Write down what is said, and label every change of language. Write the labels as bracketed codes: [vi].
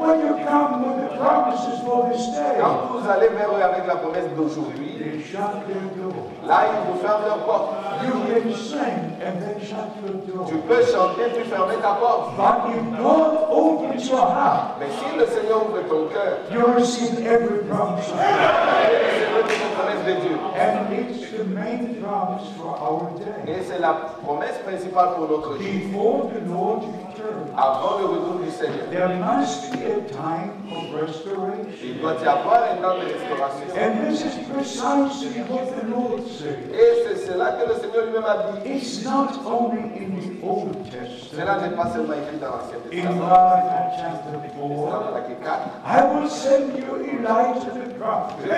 [en] when you come with the promises for this day, [fr] quand vous allez vers eux avec la promesse d'aujourd'hui, [en] they shut their door. [fr] Là ils vous ferment leur porte. [en] You can sing and then shut your door. [fr] Tu peux chanter puis fermer ta porte. [en] But if God opens your heart, [fr] mais si le Seigneur ouvre ton cœur, [en] you receive every promise. And it's the main promise for our day. [fr] Et c'est la promesse principale pour notre vie. [en] Before the Lord returns, [fr] avant le retour du Seigneur, [en] there must be a time of restoration. [fr] Il doit y avoir un temps de restauration. [en] And this is precisely what the Lord said. [fr] Et c'est cela que le Seigneur lui-même a dit. [en] It's not only in the Old Testament. [fr] Cela n'est pas seulement écrit dans l'Ancien Testament. [en] In Malachi chapter 4, I will send you Elijah the prophet.